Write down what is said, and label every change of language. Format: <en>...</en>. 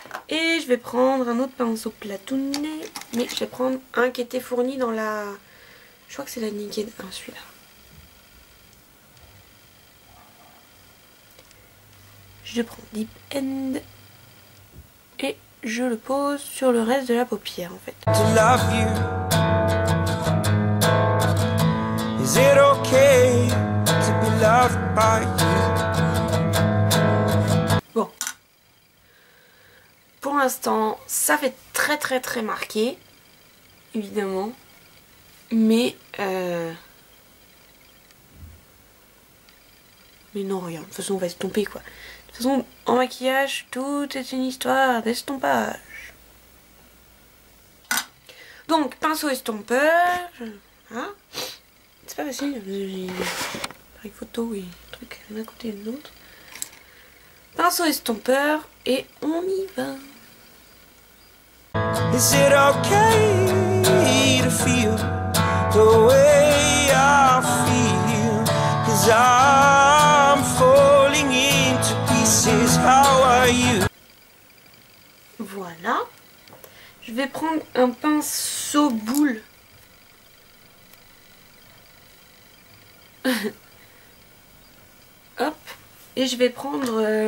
<fr>Et je vais prendre un autre pinceau platouné. Mais je vais prendre un qui était fourni dans la... Je crois que c'est la Naked. Ah, celui-là. Je prends Deep End. Et je le pose sur le reste de la paupière, en fait.</fr> <en>To love you. Is it okay to be loved by you?</en> <fr>Pour l'instant, ça fait très très très marqué, évidemment, mais non, rien, de toute façon on va se tromper quoi. De toute façon, en maquillage, tout est une histoire d'estompage. Donc, pinceau estompeur, hein, c'est pas facile, avec photo et truc d'un côté et de l'autre. Pinceau estompeur et on y va.</fr> <en>Is it okay to feel the way I feel? 'Cause I'm falling into pieces. How are you?</en> <fr>Voilà. Je vais prendre un pinceau boule. Hop. Et je vais prendre...</fr>